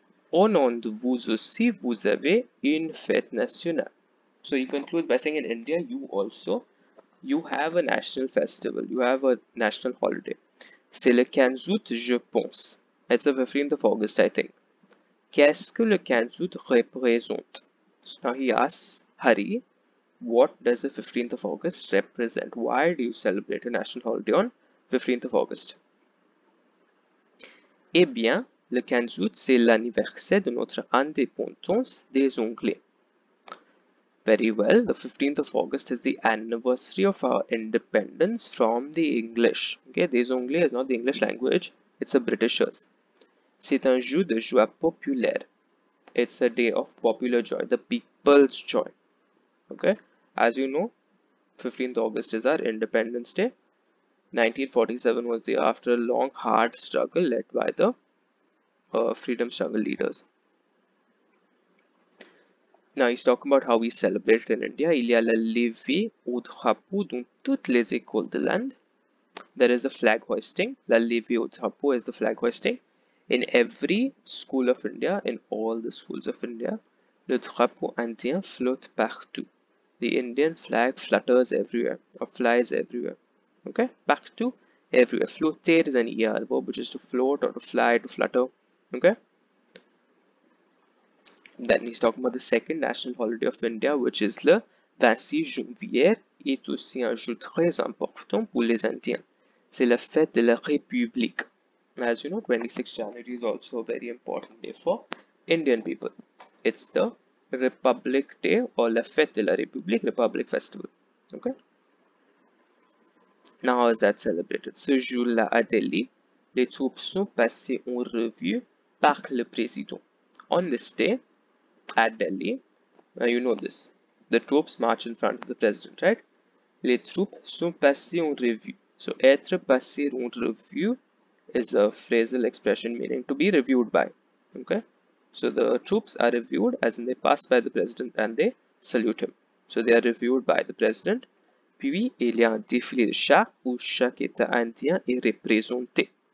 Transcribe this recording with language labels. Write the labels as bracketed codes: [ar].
[fr] Au nom de vous aussi, vous avez une fête nationale. [en] So you conclude by saying in India, you also, you have a national festival, you have a national holiday. [fr] C'est le 15 août, je pense. [en] It's the 15th of August, I think. [fr] Qu'est-ce que le 15 août représente? [en] So now he asks Hari, what does the 15th of August represent? Why do you celebrate a national holiday on 15th of August? [fr] Eh bien, le 15 août, c'est l'anniversaire de notre indépendance des Anglais. [en] Very well, the 15th of August is the anniversary of our independence from the English. Okay, this only is not the English language, it's the Britishers. [fr] C'est un jour de joie populaire. [en] It's a day of popular joy, the people's joy. Okay, as you know, 15th August is our Independence Day. 1947 was the year after a long, hard struggle led by the freedom struggle leaders. Now he's talking about how we celebrate in India. [fr] Il y a la levée au drapeau dans toutes les écoles de l'Inde. [en] There is a flag hoisting. [fr] La levée au drapeau [en] is the flag hoisting. In every school of India, in all the schools of India, [fr] le drapeau indien flotte partout. [en] The Indian flag flutters everywhere or flies everywhere. Okay, partout, everywhere. Flotter is an ER verb, which is to float or to fly, to flutter. Okay. Then he's talking about the second national holiday of India, which is [fr] le 26 janvier, est aussi un jour très important pour les Indiens. C'est la fête de la République. [en] As you know, 26 January is also a very important day for Indian people. It's the Republic Day or [fr] la fête de la République, [en] Republic Festival. Okay. Now, how is that celebrated? [fr] Ce jour-là à Delhi, les troupes sont passées en revue par le président. [en] On this day, at Delhi, now you know this, the troops march in front of the president, right? [fr] Les troupes sont passées en revue. [en] So, [fr] être passé en revue [en] is a phrasal expression meaning to be reviewed by. Okay? So, the troops are reviewed as in they pass by the president and they salute him. So, they are reviewed by the president. [fr] Puis, il y a un défilé de chars où chaque état indien est représenté.